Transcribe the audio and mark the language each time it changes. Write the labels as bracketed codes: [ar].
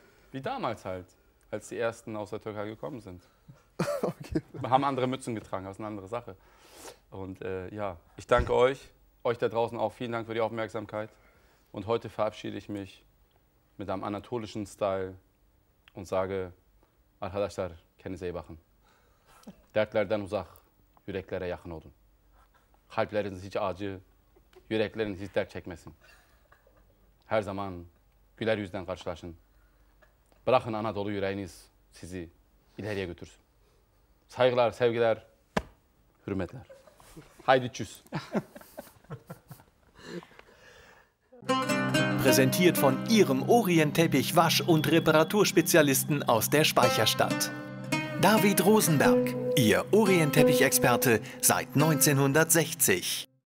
[de] Wie damals halt, als die ersten aus der Türkei gekommen sind. Okay. Haben andere Mützen getragen, das ist eine andere Sache. Und ja, ich danke euch, euch da draußen auch. Vielen Dank für die Aufmerksamkeit. Und heute verabschiede ich mich mit einem anatolischen Style und sage, [tr] Arkadaşlar, kendinize iyi bakın. Dertlerden uzak, yüreklere yakın olun. Kalpleriniz hiç acı, yürekleriniz hiç dert çekmesin. Her zaman güler yüzden karşılaşın. Bırakın Anadolu yüreğiniz sizi ileriye götürsün. Saygılar, sevgiler, hürmetler. [de] Haydi tschüss. Präsentiert von Ihrem Orientteppich Wasch- und Reparaturspezialisten aus der Speicherstadt. David Rosenberg, Ihr Orientteppich-Experte seit 1960.